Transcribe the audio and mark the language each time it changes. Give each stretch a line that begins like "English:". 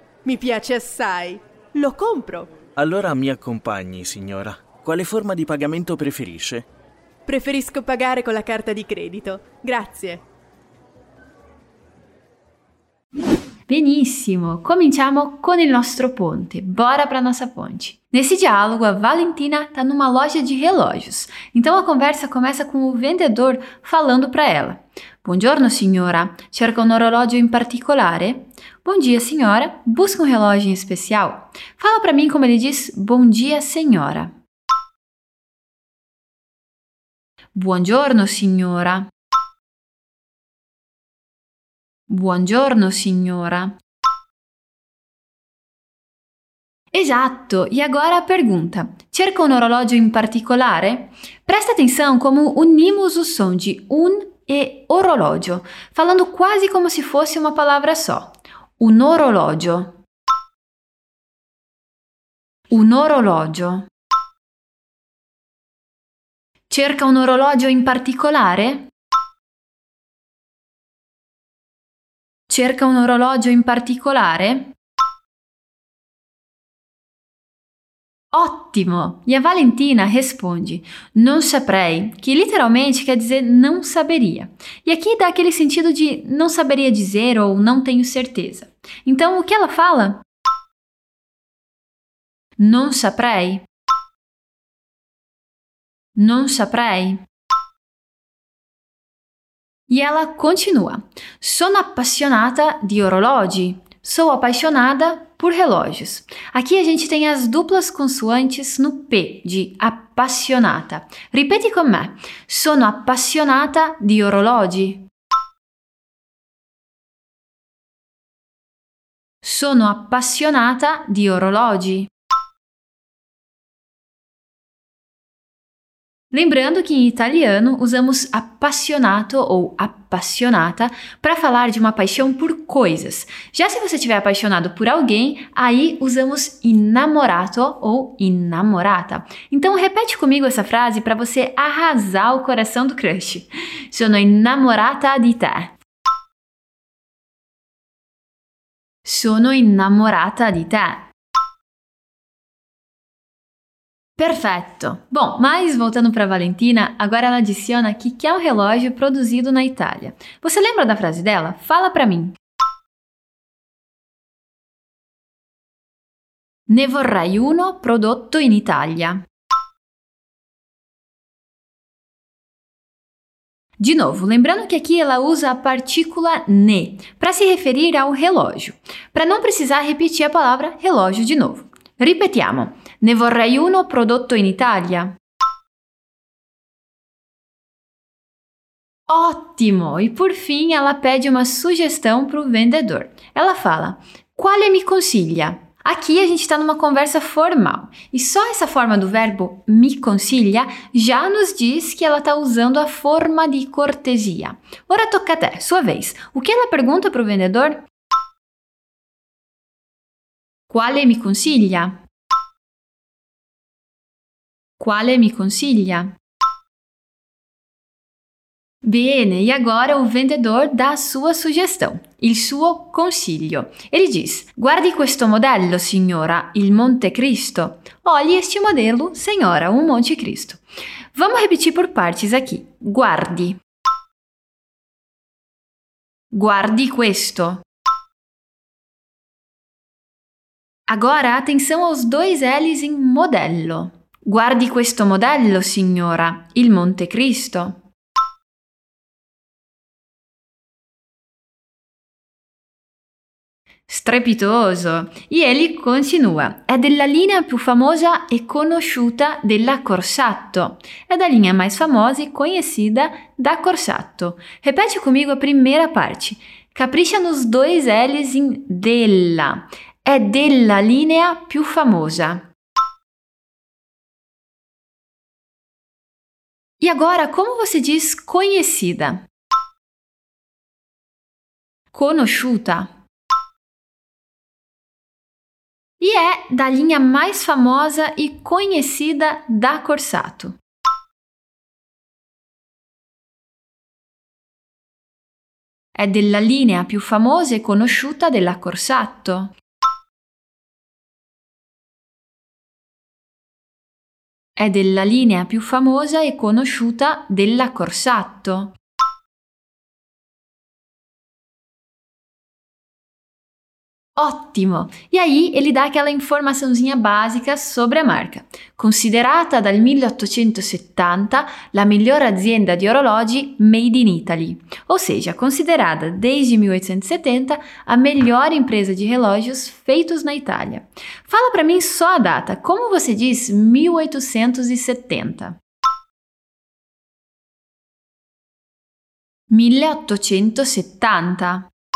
Italian: Mi piace assai. Lo compro. Allora mi accompagni, signora. Quale forma di pagamento preferisce? Preferisco pagare con la carta di credito. Grazie. Benissimo, cominciamo con il nostro ponte.
Portuguese: Bora pra nossa ponte. Nesse diálogo, a Valentina tá numa loja de relógios. Então a conversa começa com o vendedor falando pra ela.
Italian: Buongiorno, signora. Cerca un orologio in particolare?
Portuguese: Bom dia, senhora. Busca um relógio em especial? Fala pra mim como ele diz bom dia, senhora.
Italian: Buongiorno, signora. Buongiorno, signora.
Portuguese: Esatto, e agora a pergunta.
Italian: Cerca un orologio in particolare?
Portuguese: Presta atenção como unimos o som de un e orologio, falando quasi como se fosse uma palavra só.
Italian: Un orologio. Un orologio. Cerca un orologio in particolare? Cerca un orologio in particolare? Ottimo! E a Valentina risponde, non saprei, che letteralmente
Portuguese: quer dizer non saberia. E aqui dá aquele sentido di non saberia dizer ou non tenho certeza. Então, o que ela fala?
Italian: Non saprei. Non saprei.
Portuguese: E ela continua.
Italian: Sono appassionata di orologi.
Portuguese: Sou apaixonada por relógios. Aqui a gente tem as duplas consoantes no P de appassionata.
Italian: Ripeti com me. Sono appassionata di orologi. Sono appassionata di orologi.
Portuguese: Lembrando que em italiano usamos appassionato ou appassionata para falar de uma paixão por coisas. Já se você estiver apaixonado por alguém, aí usamos innamorato ou innamorata. Então repete comigo essa frase para você arrasar o coração do crush.
Italian: Sono innamorata di te. Sono innamorata di te.
Portuguese: Perfetto! Bom, mas voltando para Valentina, agora ela adiciona que quer um relógio produzido na Itália. Você lembra da frase dela? Fala para mim.
Italian: Ne vorrei uno prodotto in Italia.
Portuguese: De novo, lembrando que aqui ela usa a partícula ne para se referir ao relógio, para não precisar repetir a palavra relógio de novo.
Italian: Ripetiamo. Ne vorrei uno prodotto in Italia?
Portuguese: Ótimo! E por fim, ela pede uma sugestão para o vendedor. Ela fala,
Italian: quale mi consiglia?
Portuguese: Aqui a gente está numa conversa formal. E só essa forma do verbo mi consiglia já nos diz que ela está usando a forma de cortesia.
Italian: Ora tocca a te,
Portuguese: sua vez. O que ela pergunta para o vendedor?
Italian: Quale mi consiglia? Quale mi consiglia?
Portuguese: Bene, e agora o vendedor dà sua sugestão,
Italian: il suo consiglio.
Portuguese: Ele diz,
Italian: guardi questo modello, signora, il Monte Cristo.
Portuguese: Olhe este modelo, signora, o Monte Cristo. Vamos repetir por partes aqui. Guardi.
Italian: Guardi questo.
Portuguese: Agora, atenção aos dois L's em modello.
Italian: Guardi questo modello, signora, il Monte Cristo. Strepitoso!
Portuguese: E ele continua.
Italian: È della linea più famosa e conosciuta della Corsatto.
Portuguese: È da linea mais famosa e conhecida da Corsatto. Repete comigo a primeira parte. Capricha nos dois L's in della.
Italian: È della linea più famosa.
Portuguese: E agora, como você diz conhecida?
Italian: Conosciuta.
Portuguese: E é da linha mais famosa e conhecida da Corsatto.
Italian: É della linea più famosa e conosciuta della Corsatto. È della linea più famosa e conosciuta della Corsatto. Ottimo!
Portuguese: E aí ele dá aquela informaçãozinha básica sobre a marca.
Italian: Considerata dal 1870 la miglior azienda di orologi made in Italy.
Portuguese: Ou seja, considerada desde 1870 a melhor empresa de relógios feitos na Itália. Fala para mim só a data. Como você diz 1870?
Italian: 1870.